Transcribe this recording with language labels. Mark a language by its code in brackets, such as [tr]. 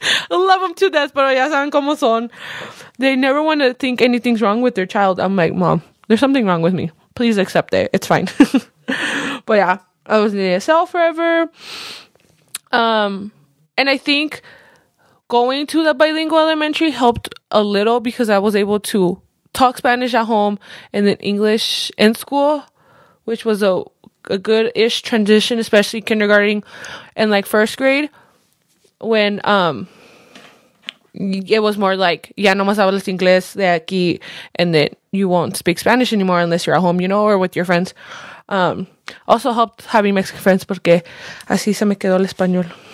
[en] Love them to death, [es] pero ya saben cómo son. [en] They never want to think anything's wrong with their child. I'm like, mom, there's something wrong with me. Please accept it. It's fine. But yeah, I was in ASL forever. And I think going to the bilingual elementary helped a little because I was able to talk Spanish at home and then English in school, which was a good-ish transition, especially kindergarten and like first grade when it was more like, [es] ya no más hablas inglés de aquí, [en] and then you won't speak Spanish anymore unless you're at home, you know, or with your friends. Also helped having Mexican friends [es] porque así se me quedó el español.